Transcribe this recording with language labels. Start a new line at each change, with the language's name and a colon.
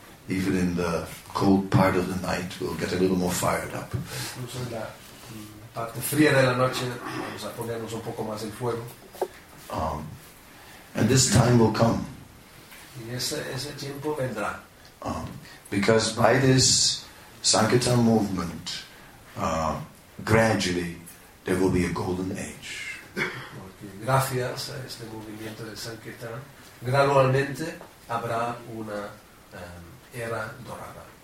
English: Even in the cold part of the night, we'll get a little more fired up.
Spanish: Incluso en la parte fría de la noche, vamos a ponernos un poco más en fuego.
English: And this time will come.
Spanish: Y ese tiempo vendrá.
English: Because by this Sankirtan movement, gradually there will be a golden age.
Spanish: Porque gracias a este movimiento de Sankirtan, gradualmente habrá una era dorada.